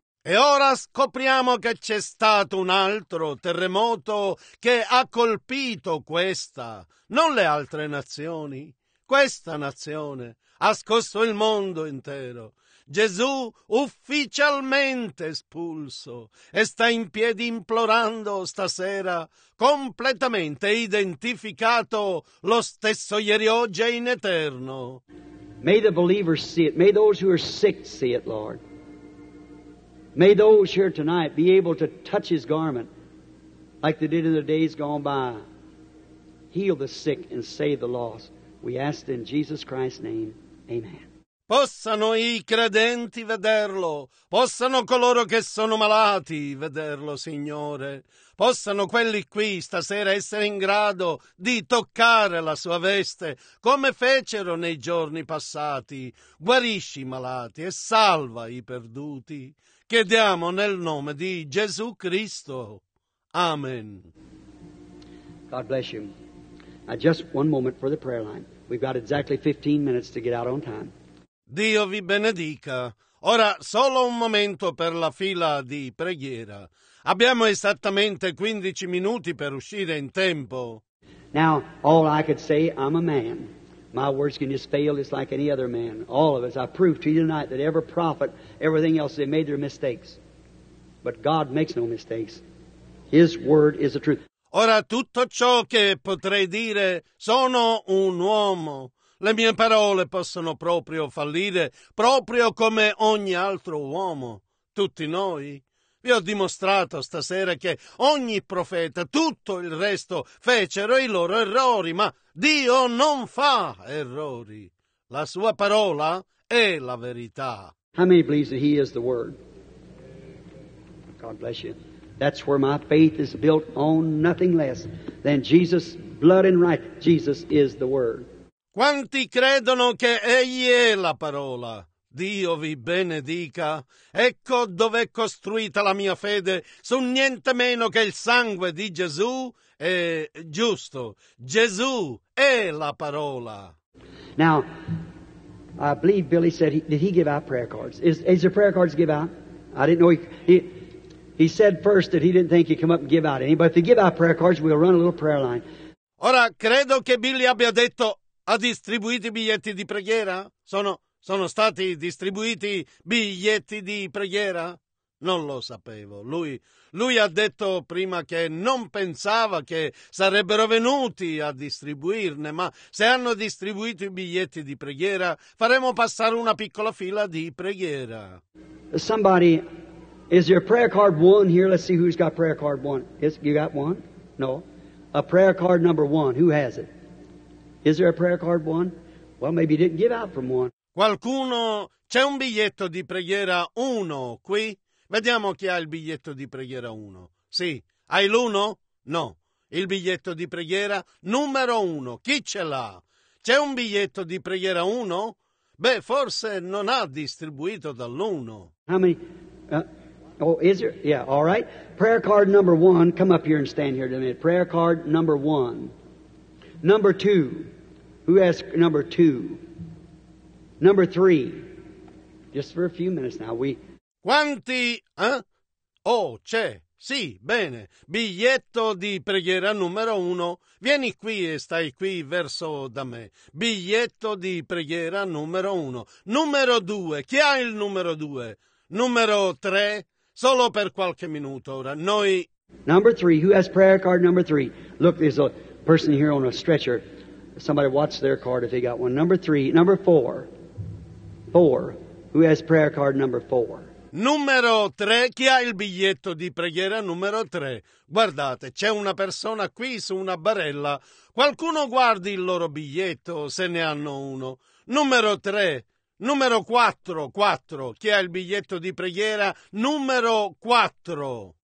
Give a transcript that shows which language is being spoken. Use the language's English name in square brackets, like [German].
[Italian] E ora scopriamo che c'è stato un altro terremoto che ha colpito questa, non le altre nazioni. Questa nazione ha scosso il mondo intero. Gesù ufficialmente espulso e sta in piedi implorando stasera, completamente identificato, lo stesso ieri, oggi e in eterno. [English] May the believers see it. May those who are sick see it, Lord. May those here tonight be able to touch His garment like they did in the days gone by. Heal the sick and save the lost. We ask in Jesus Christ's name. Amen. [Italian] Possano i credenti vederlo, possano coloro che sono malati vederlo, Signore. Possano quelli qui stasera essere in grado di toccare la sua veste, come fecero nei giorni passati. Guarisci i malati e salva i perduti. Chiediamo nel nome di Gesù Cristo. Amen. [English] God bless you. Now just one moment for the prayer line. We've got exactly 15 minutes to get out on time. [Italian] Dio vi benedica. Ora, solo un momento per la fila di preghiera. Abbiamo esattamente 15 minuti per uscire in tempo. [English] Now, all I could say, I'm a man. My words can just fail just like any other man. All of us. I proved to you tonight that every prophet, everything else, they made their mistakes. But God makes no mistakes. His word is the truth. [Italian] Ora, tutto ciò che potrei dire, sono un uomo. Le mie parole possono proprio fallire, proprio come ogni altro uomo, tutti noi. Vi ho dimostrato stasera che ogni profeta, tutto il resto, fecero i loro errori, ma Dio non fa errori. La sua parola è la verità. [English] How many believe that he is the word? God bless you. That's where my faith is built on nothing less than Jesus' blood and right. Jesus is the word. [Italian] Quanti credono che Egli è la parola? Dio vi benedica. Ecco dove è costruita la mia fede, su niente meno che il sangue di Gesù. È giusto. Gesù è la parola. [English] Now, I believe Billy said, did he give out prayer cards? Is your prayer cards give out? I didn't know he said first that he didn't think he'd come up and give out any, but if they give out prayer cards, we'll run a little prayer line. [Italian] Ora, credo che Billy abbia detto... Ha distribuito i biglietti di preghiera? Sono stati distribuiti biglietti di preghiera? Non lo sapevo. Lui ha detto prima che non pensava che sarebbero venuti a distribuirne, ma se hanno distribuito i biglietti di preghiera, faremo passare una piccola fila di preghiera. [English] Somebody, is your prayer card one here? Let's see who's got prayer card one. Yes, you got one? No. A prayer card number one. Who has it? Is there a prayer card one? Well, maybe you didn't give out from one. [Italian] Qualcuno, c'è un biglietto di preghiera uno qui? Vediamo chi ha il biglietto di preghiera uno. Sì, hai l'uno? No. Il biglietto di preghiera numero uno. Chi ce l'ha? C'è un biglietto di preghiera uno? Beh, forse non ha distribuito dall'uno. [English] How many? Is there? Yeah, all right. Prayer card number one. Come up here and stand here a minute. Prayer card number one. Number two. Who has number two? Number three. Just for a few minutes now. [Italian] Quanti? Eh? Oh, c'è. Sì, bene. Biglietto di preghiera numero uno. Vieni qui e stai qui verso da me. Biglietto di preghiera numero uno. Numero due. Chi ha il numero due? Numero tre. Solo per qualche minuto ora. Noi... [English] Number three. Who has prayer card number three? Look, there's a... person here on a stretcher. Somebody watch their card if they got one. Number three. Number four. Four. Who has prayer card number four? [Italian] Numero tre. Chi ha il biglietto di preghiera numero tre? Guardate, c'è una persona qui su una barella. Qualcuno guardi il loro biglietto se ne hanno uno. Numero tre. Numero quattro. Quattro. Chi ha il biglietto di preghiera numero quattro?